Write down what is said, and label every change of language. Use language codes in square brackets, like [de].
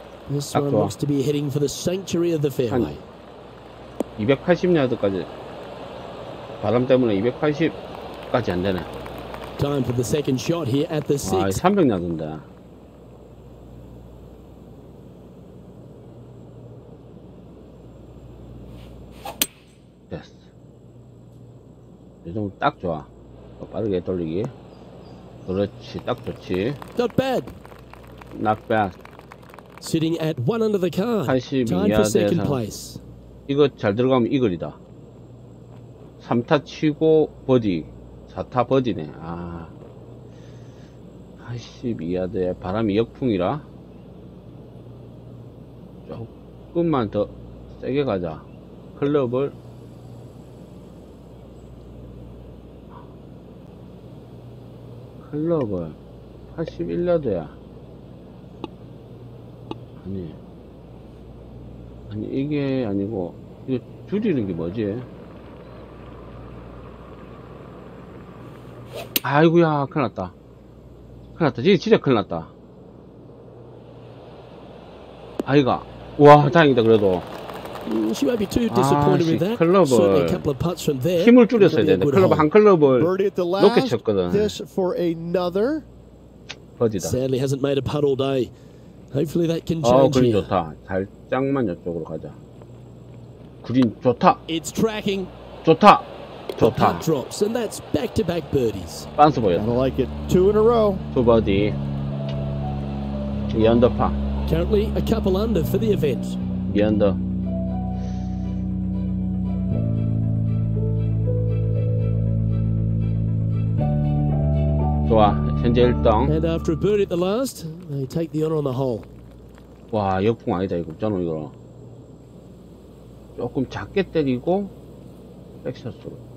[en] This one looks to be heading for the sanctuary of the fairway. [ko] 280야드까지. 바람 때문에 280까지 안 되네. [en] Time for the second shot here at the six. [ko] 와, 300 나던데. 됐어. 이 정도 딱 좋아. 빠르게 돌리기. 그렇지, 딱 좋지. [en] Not bad. Not bad. Sitting at one under the car. [ko] 82야드에서 이거 잘 들어가면 이글이다. 3타 치고 버디. 4타 버디네. 아, 82야드에 바람이 역풍이라 조금만 더 세게 가자. 클럽을 81야드야. 아니, 아니 이게 아니고 이거 줄이는 게 뭐지? 아이고야, 큰일 났다. 큰일 났다. 진짜 큰일 났다. 아이가. 와, 다행이다, 그래도. [en] She might be too disappointed with that. [ko] 클럽을 [en] certainly a couple of putts from there. [ko] 힘을 줄였어야 되는데 클럽 한 클럽을 [en] birdie at the last, [ko] 높게 쳤거든. [en] This for another. [ko] 버디다. [en] Sadly hasn't made a putt all day. Hopefully that can change. [ko] 그린 좋다. 살짝만 이쪽으로 가자. 그린 좋다. [en] It's tracking. [ko] 좋다. 좋다. [en] Putt drops and that's back-to-back birdies. [ko] 반스 보였다. [en] I like it. Two in a row. [ko] 두 버디. 2 언더파. [en] Currently a couple under for the event. [ko] 2 언더. 좋아. 현재 1등. [en] And after a birdie at the last, they take the honor on the hole. [ko] 와, 역풍 아니다 이거. 저는 이거. 조금 작게 때리고 백샷으로.